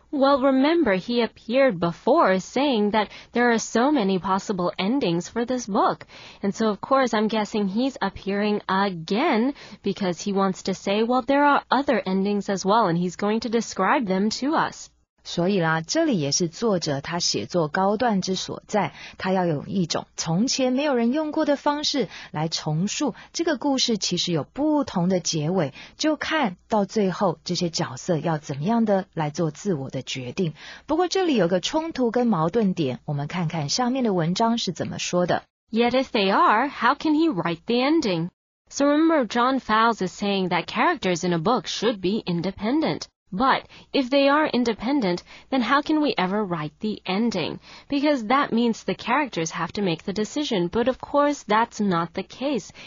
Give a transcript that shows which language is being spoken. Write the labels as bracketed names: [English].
[English] Well, remember, he appeared before saying that there are so many possible endings for this book. And so, of course, I'm guessing he's appearing again because he wants to say, well, there are other endings as well, and he's going to describe them to us. [Chinese] 所以啦，这里也是作者他写作高段之所在，他要用一种从前没有人用过的方式来重述这个故事，其实有不同的结尾，就看到最后这些角色要怎么样的来做自我的决定。不过这里有个冲突跟矛盾点，我们看看下面的文章是怎么说的。 [English] Yet if they are, how can he write the ending? So remember, John Fowles is saying that characters in a book should be independent. But if they are independent, then how can we ever write the ending? Because that means the characters have to make the decision, but of course that's not the case.